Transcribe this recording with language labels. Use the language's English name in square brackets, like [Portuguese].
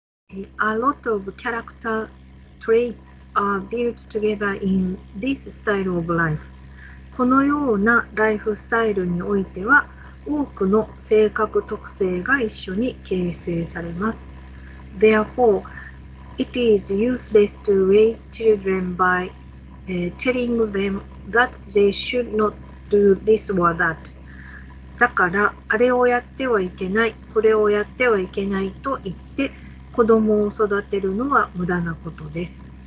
[English] A lot of character traits are built together in this style of life. [Japanese] このようなライフスタイルにおいては、多くの性格特性が一緒に形成されます。 [English] Therefore, it is useless to raise children byTelling them that they should not do this or that. [Japanese] だから、あれをやってはいけない、これをやってはいけないと言って、子供を育てるのは無駄なことです。